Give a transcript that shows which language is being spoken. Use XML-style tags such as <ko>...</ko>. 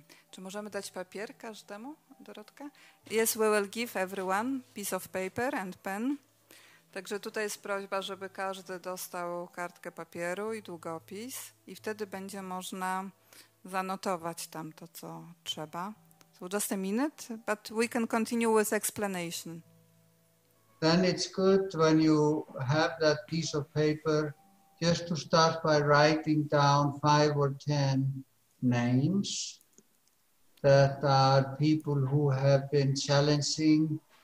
<pl>Czy możemy dać papier każdemu, Dorotka?</pl> <en>Yes, we will give everyone piece of paper and pen.</en> <pl>Także tutaj jest prośba, żeby każdy dostał kartkę papieru i długopis, i wtedy będzie można zanotować tam to, co trzeba.</pl> <en>Just a minute, but we can continue with explanation. Then it's good when you have that piece of paper just to start by writing down 5 or 10 names that are people who have been challenging.</en>